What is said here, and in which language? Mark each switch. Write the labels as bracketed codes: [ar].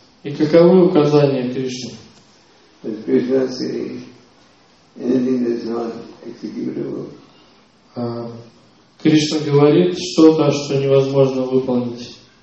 [ru] И каковы указания Кришны? [en] Does Krishna say anything that is not executable? [ru] Кришна говорит что-то, что невозможно выполнить.